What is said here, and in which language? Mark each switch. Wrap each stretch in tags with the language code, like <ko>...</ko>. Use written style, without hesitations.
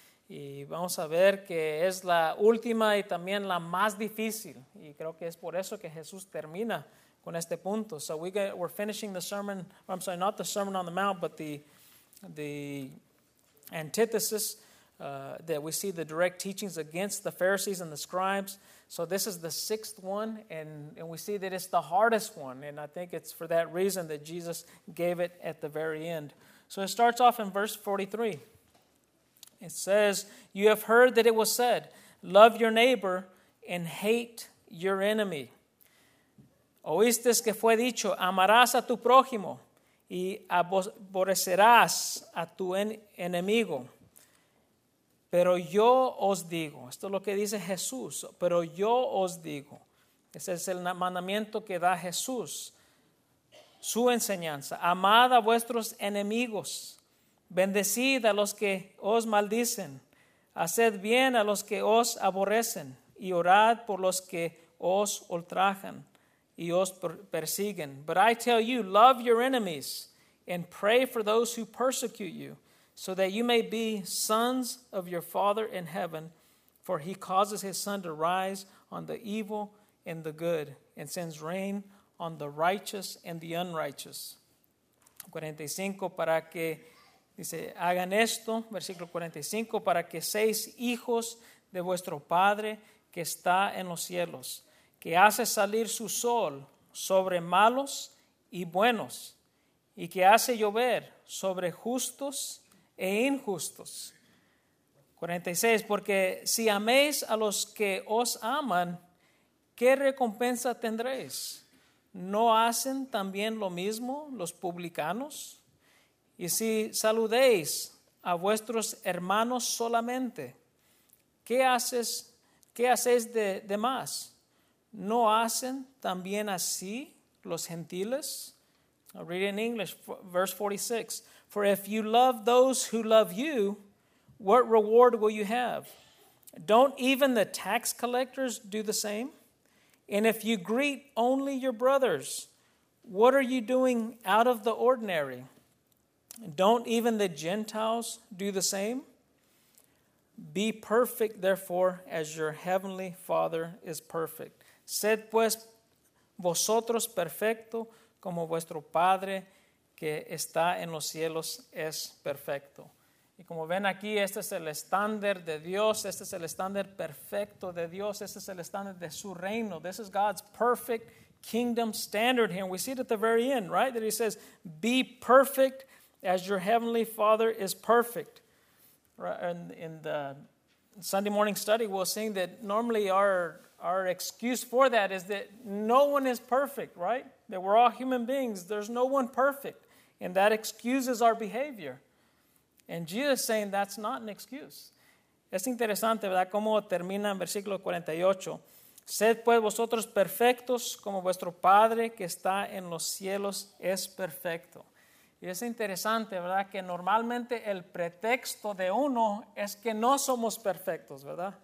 <es>Y vamos a ver que es la última y también la más difícil. Y creo que es por eso que Jesús termina con este punto.</es> <en>So we're finishing the sermon. I'm sorry, not the Sermon on the Mount, but the antithesis that we see the direct teachings against the Pharisees and the scribes. So this is the sixth one, and we see that it's the hardest one. And I think it's for that reason that Jesus gave it at the very end. So it starts off in verse 43. It says, "You have heard that it was said, 'Love your neighbor and hate your enemy.'</en> <es>Oísteis que fue dicho, 'Amarás a tu prójimo y aborrecerás a tu enemigo.' Pero yo os digo," esto es lo que dice Jesús, "pero yo os digo," ese es el mandamiento que da Jesús, su enseñanza, "amad a vuestros enemigos. Bendecid a los que os maldicen, haced bien a los que os aborrecen y orad por los que os ultrajan y os persiguen.</es> <en>But I tell you, love your enemies and pray for those who persecute you, so that you may be sons of your Father in heaven, for he causes his sun to rise on the evil and the good and sends rain on the righteous and the unrighteous."</en> <es>45, para que dice, hagan esto, versículo 45, para que seáis hijos de vuestro Padre que está en los cielos, que hace salir su sol sobre malos y buenos, y que hace llover sobre justos e injustos. 46, porque si améis a los que os aman, ¿qué recompensa tendréis? ¿No hacen también lo mismo los publicanos? Y si saludéis a vuestros hermanos solamente, ¿qué hacéis de más? ¿No hacen también así los gentiles?</es> <en>I'll read it in English, verse 46. For if you love those who love you, what reward will you have? Don't even the tax collectors do the same? And if you greet only your brothers, what are you doing out of the ordinary? Don't even the Gentiles do the same? Be perfect, therefore, as your heavenly Father is perfect.</en> <es>Sed pues vosotros perfecto como vuestro Padre que está en los cielos es perfecto. Y como ven aquí, este es el estándar de Dios, este es el estándar perfecto de Dios, este es el estándar de su reino.</es> <en>This is God's perfect kingdom standard here. We see it at the very end, right? That he says, be perfect as your heavenly Father is perfect. Right? And in the Sunday morning study, we'll see that normally our excuse for that is that no one is perfect, right? That we're all human beings. There's no one perfect. And that excuses our behavior. And Jesus is saying that's not an excuse.</en> <es>Es interesante, ¿verdad? Cómo termina en versículo 48. Sed pues vosotros perfectos como vuestro Padre que está en los cielos es perfecto. Y es interesante, ¿verdad? Que normalmente el pretexto de uno es que no somos perfectos, ¿verdad?</es>